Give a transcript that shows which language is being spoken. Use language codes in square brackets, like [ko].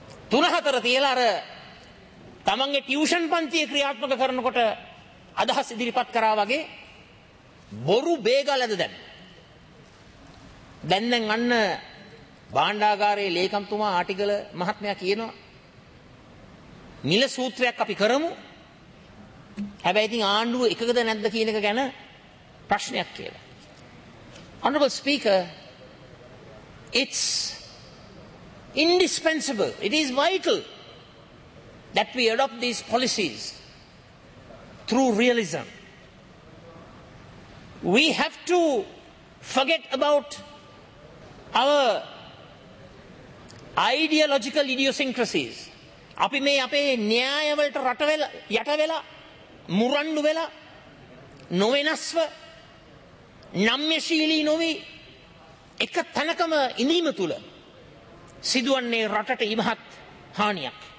[si] 3-4 තියලා අර තමන්ගේ ටියුෂන් පන්තියේ ක්‍රියාත්මක කරනකොට අදහස් ඉදිරිපත් කරා වගේ බොරු බේගලද දැන් දැන් අන්න භාණ්ඩාගාරයේ ලේකම්තුමා ආටිගල මහත්මයා කියනවා මිල සූත්‍රයක් අපි කරමු හැබැයි ඉතින් ආණ්ඩුව එකකද නැද්ද කියන එක ගැන ප්‍රශ්නයක් කියලා. [en] Honorable Speaker, it's indispensable, it is vital that we adopt these policies through realism. We have to forget about our ideological idiosyncrasies. [si] අපි මේ අපේ න්‍යායවලට යටවෙලා මුරණ්ඩු වෙලා නොවෙනස්ව නම්‍යශීලී නොවේ එක තැනකම ඉඳීම තුළ සිදුවන්නේ රටට ඉමහත් හානියක්.